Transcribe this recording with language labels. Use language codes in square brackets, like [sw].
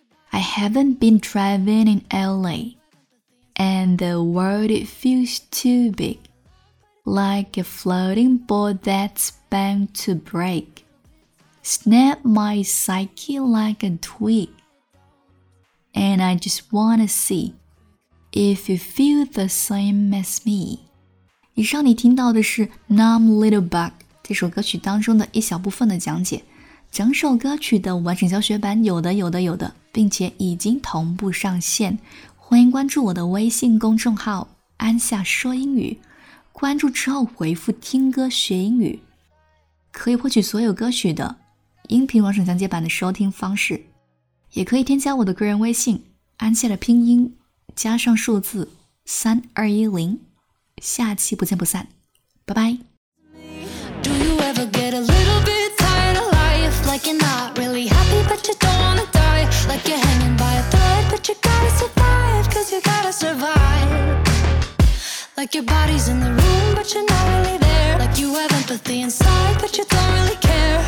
[en] I haven't been driving in LA. And the world it feels too big. Like a floating ball that's bound to break. Snap my psyche like a twig. And I just wanna see. If you feel the same as me. [zh] 以上你听到的是 Numb Little Bug 这首歌曲当中的一小部分的讲解，整首歌曲的完整教学版有的，并且已经同步上线，欢迎关注我的微信公众号安夏说英语，关注之后回复听歌学英语，可以获取所有歌曲的音频完整讲解版的收听方式，也可以添加我的个人微信安夏的拼音加上数字3210，下期不见不散，拜拜。 [en] Do you ever get a little bit tired of life? Like you're not really happy, but you don't wanna die. Like you're hanging by a thread, but you gotta survive, cause you gotta survive. Like your body's in the room, but you're not really there. Like you have empathy inside, but you don't really care.